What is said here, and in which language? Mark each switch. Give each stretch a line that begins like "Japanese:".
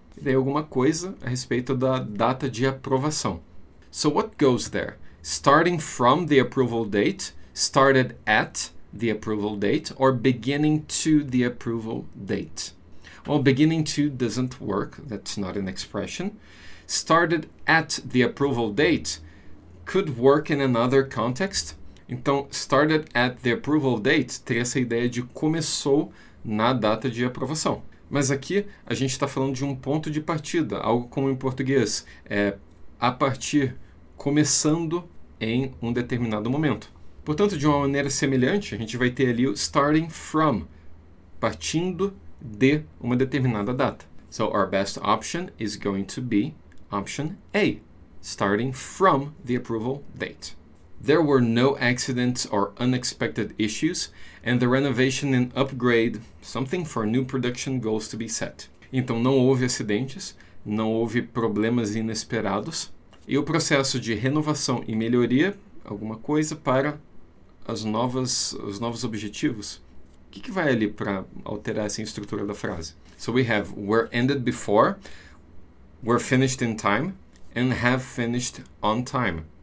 Portuguese: E daí alguma coisa a respeito da data de aprovação.
English: So what goes there? Starting from the approval date, started at the approval date, or beginning to the approval date? Well, beginning to doesn't work. That's not an expression. Started at the approval date could work in another context.
Portuguese: Então,
English: started at the approval date
Portuguese: teria essa ideia de começou na data de aprovação. Mas aqui a gente está falando de um ponto de partida, algo como em português, a partir, começando em um determinado momento. Portanto, de uma maneira semelhante, a gente vai ter ali o starting from, partindo de uma determinada data.
English: So, our best option is going to be option A. Starting from the approval date. There were no accidents or unexpected issues, and the renovation and upgrade, something for new production goals to be set.
Portuguese: Então, não houve acidentes, não houve problemas inesperados, e o processo de renovação e melhoria, alguma coisa para os novos objetivos. O que vai ali para alterar essa estrutura da frase?
English: So we have were ended before, were finished in time, and have finished on time.